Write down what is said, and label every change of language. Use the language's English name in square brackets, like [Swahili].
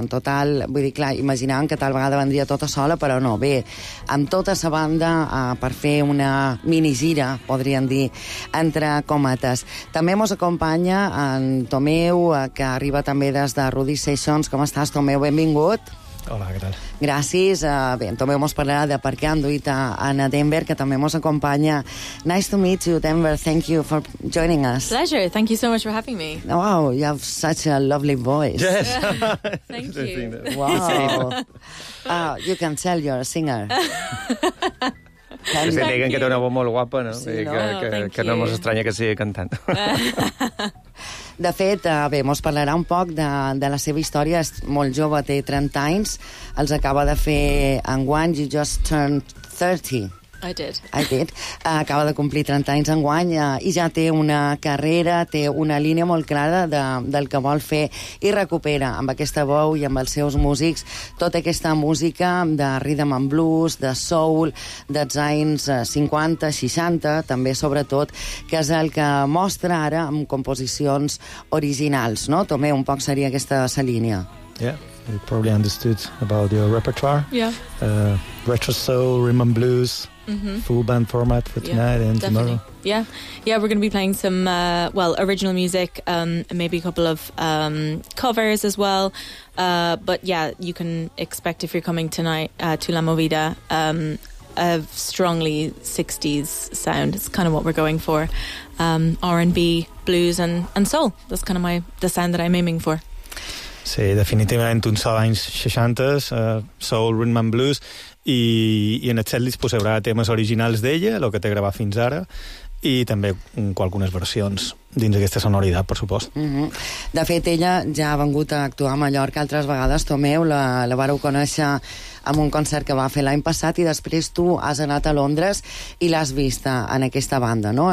[Catalan] En total, vull dir, clar, imaginant que tal vegada vendria tota sola, però no, bé, amb tota sa banda per fer una minigira, podríem dir, entre cometes. També mos acompanya en Tomeu, que arriba també des de Rudy Sessions. Com estàs, Tomeu? Benvingut. Hola, què tal? Gràcies. Bé, en Tomeu mos parlarà de per què han duit a Denver, que també mos acompanya. [English] Nice to meet you, Denver. Thank you for joining us. Pleasure. Thank you so much for having me. Wow, you have such a lovely voice. Yes. Thank you. Wow. you can tell you're a singer. [Catalan] Que se diguen que té una voz molt guapa, no? Sí, que no mos estranya que sigui cantant. De fet, bé, mos parlarà un poc de la seva història. És molt jove, té 30 anys. Els acaba de fer enguany, [English] you just turned 30. I did. [Catalan] Acaba de complir 30 anys enguany i ja té una carrera, té una línia molt clara de, del que vol fer i recupera amb aquesta veu i amb els seus músics tota aquesta música de rhythm and blues, de soul, dels anys 50, 60, també sobretot, que és el que mostra ara amb composicions originals, no? Tomé, un poc seria aquesta sa línia. [English] Yeah. You probably understood about your repertoire. Yeah. Retro soul, rhythm and blues, full band format for tonight and definitely. Tomorrow. Yeah. Yeah, we're going to be playing some, well, original music, maybe a couple of covers as well. But yeah, you can expect if you're coming tonight to La Movida, a strongly 60s sound. It's kind of what we're going for. R&B, blues and soul. That's kind of my the sound that I'm aiming for. [Catalan] Sí, definitivament un so d'anys 60, soul, rhythm and blues, i en el setlist posarà temes originals d'ella, el que té gravat fins ara, i també algunes versions dins aquesta sonoritat, per supost. De fet, ella ja ha vengut a actuar a Mallorca altres vegades, Tomeu, la vareu conèixer en un concert que va fer l'any passat, i després tu has anat a Londres i l'has vista en aquesta banda, no?